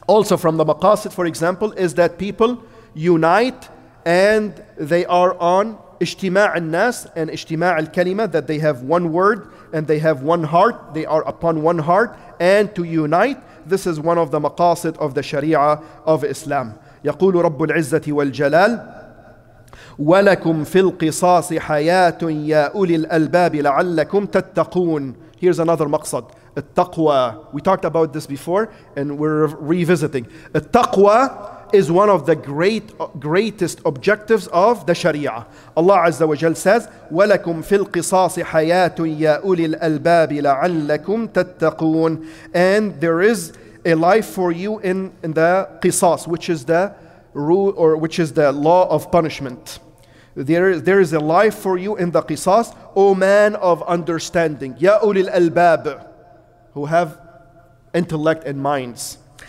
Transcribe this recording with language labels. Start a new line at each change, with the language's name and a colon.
English: Also from the maqasid, for example, is that people unite and they are on
Arabic: اجتماع الناس
English: and
Arabic: اجتماع الكلمة
English: that they have one word and they have one heart, they are upon one heart and to unite. This is one of the مقاصد of the Sharia of Islam.
Arabic: يقول رب العزة والجلال ولكم في القصاص حياة يا أولي الألباب لعلكم تتقون.
English: Here's another مقصد.
Arabic: التقوى.
English: We talked about this before and we're revisiting. التقوى is one of the greatest objectives of the Sharia.
Arabic: Allah Azza wa Jal says, وَلَكُمْ فِي الْقِصَاصِ حَيَاةٌ يَا أُولِي الْأَلْبَابِ لَعَلَّكُمْ تَتَّقُونَ.
English: And there is a life for you in the qisas, which is the rule or which is the law of punishment. There is a life for you in the qisas, O man of understanding.
Arabic: يَا أُولِي الْأَلْبَابِ,
English: who have intellect and minds.